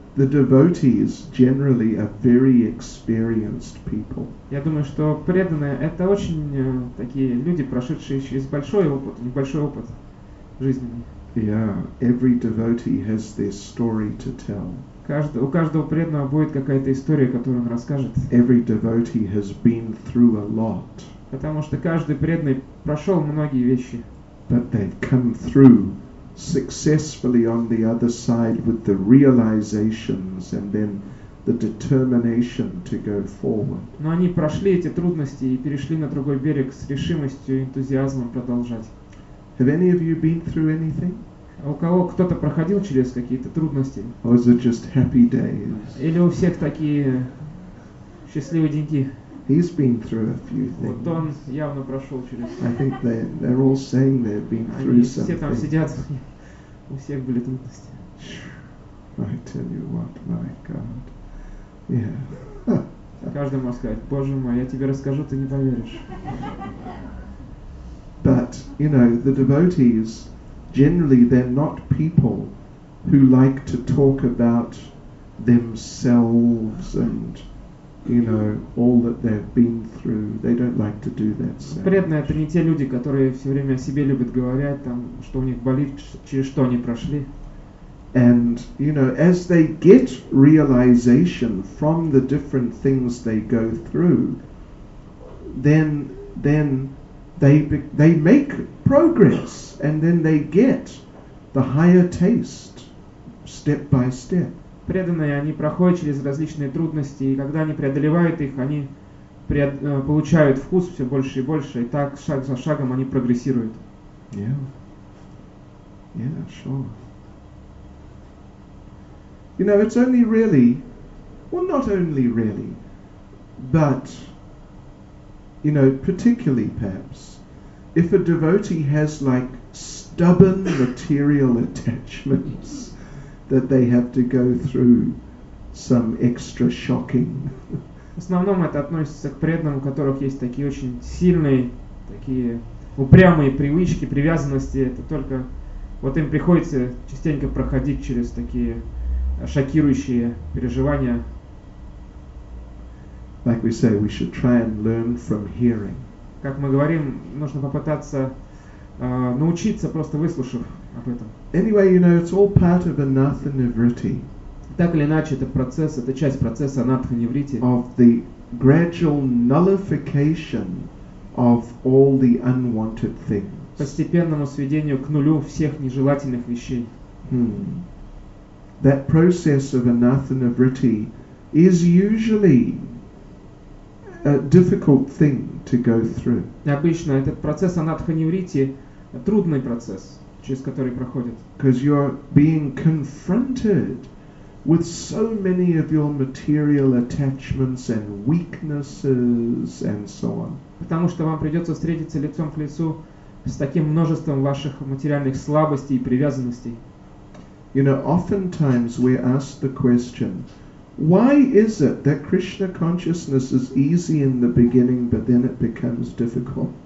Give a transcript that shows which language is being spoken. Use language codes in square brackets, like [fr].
[en] The devotee is generally a very experienced people. [ru] Я думаю, что преданные это очень такие люди, прошедшие через большой опыт, небольшой опыт жизненный. [en] Yeah, every devotee has their story to tell. [ru] У каждого преданного будет какая-то история, которую он расскажет. [en] Every devotee has been through a lot. [ru] Потому что каждый преданный прошел многие вещи. [en] But they've come through successfully on the other side with the realizations and then the determination to go forward. [ru] Но они прошли эти трудности и перешли на другой берег с решимостью и энтузиазмом продолжать. [en] Have any of you been through anything? [ru] У кого кто-то проходил через какие-то трудности? [en] Or is it just happy days? [ru] Или у всех такие счастливые деньки? [en] He's been through a few things. [ru] Вот он явно прошел через. [en] I think they're all saying they've been through [ru] Они все там сидят, у всех были трудности. [en] I tell you what, my God, yeah. [ru] Каждый может сказать: Боже мой, я тебе расскажу, ты не поверишь. [en] But you know, the devotees generally they're not people who like to talk about themselves and. You know, all that they've been through, they don't like to do that. [ru] Преданные это не те люди, которые все время о себе любят говорить, там, что у них болит, через что они прошли. [en] And you know, as they get realization from the different things they go through, then they make progress, and then they get the higher taste step by step. [ru] Преданные, они проходят через различные трудности, и когда они преодолевают их, они получают вкус все больше и больше, и так, шаг за шагом, они прогрессируют. [en] Yeah. Yeah, sure. You know, it's only really, well, not only really, but, you know, particularly perhaps, if a devotee has, like, stubborn material attachments, that they have to go through some extra shocking. [ru] В основном это относится к преданным, у которых есть такие очень сильные, такие упрямые привычки, привязанности. Это только вот им приходится частенько проходить через такие шокирующие переживания. [en] Like we say, we should try and learn from hearing. [ru] Как мы говорим, нужно попытаться научиться просто выслушав об этом. [en] Anyway, you know, it's all part of anatha nivritti. [ru] Так или иначе, это процесс, это часть процесса анатха нивритти. [en] Of the gradual nullification of all the unwanted things. [ru] Постепенному сведению к нулю всех нежелательных вещей. [en] That process of anatha nivritti is usually a difficult thing to go through. [ru] Обычно этот процесс анатха нивритти трудный процесс. Через который проходит. [en] Because you're being confronted with so many of your material attachments and weaknesses and so on. [ru] Потому что вам придется встретиться лицом к лицу с таким множеством ваших материальных слабостей и привязанностей. [en] You know, oftentimes we ask the question, why is it that Krishna consciousness is easy in the beginning, but then it becomes difficult?